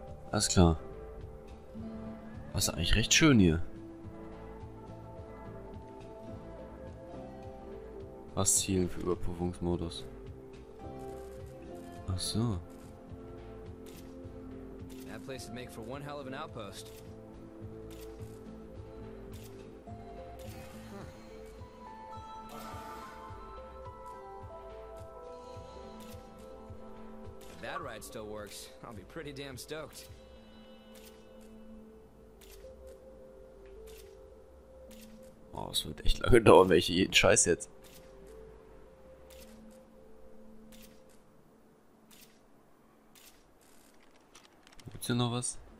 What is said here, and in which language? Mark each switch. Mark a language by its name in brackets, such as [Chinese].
[German] Alles klar. Das ist eigentlich recht schön hier. Was zielen für Überprüfungsmodus? Ach so. [English] That place would make for one hell of an outpost. If that ride still works, I'll be pretty damn stoked. [German] Oh, es wird echt lange dauern, wenn ich jeden Scheiß jetzt. Gibt's hier noch was?